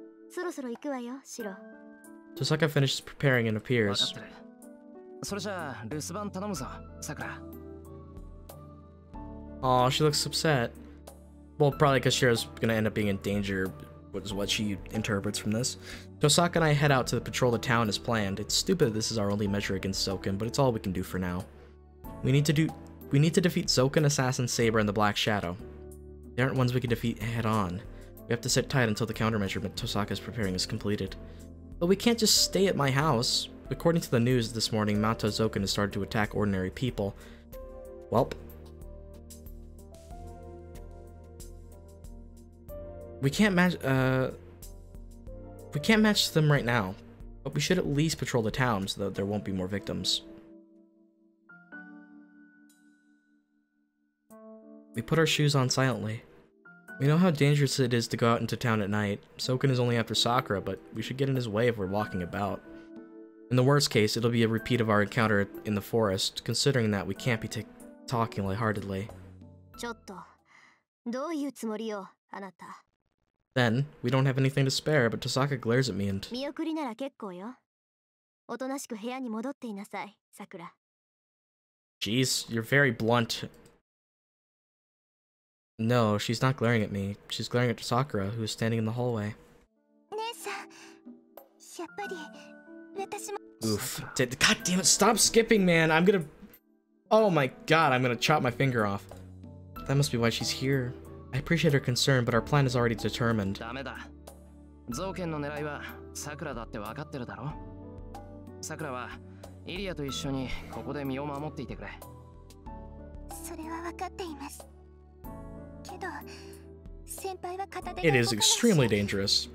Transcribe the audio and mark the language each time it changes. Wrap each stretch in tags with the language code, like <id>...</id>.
<ja>そろそろ行くわよ、シロ。</ja> <en>Tosaka finishes preparing and appears.</en> <ja>わかってる。それじゃあ、留守番頼むぞ、サクラ。</ja> <en>Aw, she looks upset. Well, probably because Shiro's gonna end up being in danger. Is what she interprets from this. Tosaka and I head out to patrol the town as planned. It's stupid that this is our only measure against Zoken, but it's all we can do for now. We need to defeat Zoken, Assassin, Saber, and the Black Shadow. They aren't ones we can defeat head on. We have to sit tight until the countermeasurement Tosaka is preparing is completed. But we can't just stay at my house. According to the news this morning, Mata Zoken has started to attack ordinary people. Welp. We can't match them right now, but we should at least patrol the town so that there won't be more victims. We put our shoes on silently. We know how dangerous it is to go out into town at night. Soken is only after Sakura, but we should get in his way if we're walking about. In the worst case, it'll be a repeat of our encounter in the forest, considering that we can't be talking lightheartedly.</en> <ja>ちょっと、どういうつもりよ、あなた。</ja> <en>Then, we don't have anything to spare, but Tosaka glares at me and...</en> <ja>見送りなら結構よ。おとなしく部屋に戻っていなさい、さくら。</ja> <en>Jeez, you're very blunt. No, she's not glaring at me. She's glaring at Sakura, who is standing in the hallway.</en> <ja>姉さん、やっぱり、私も…</ja> <en>Oof. God damn it, stop skipping, man! I'm gonna... Oh my god, I'm gonna chop my finger off. That must be why she's here. I appreciate her concern, but our plan is already determined.</en> <ja>ダメだ。造剣の狙いはサクラだって分かってるだろ。サクラはイリアと一緒にここで身を守っていてくれ。それは分かっています。けど、先輩は片手で。</ja> <en>It is extremely dangerous.</en>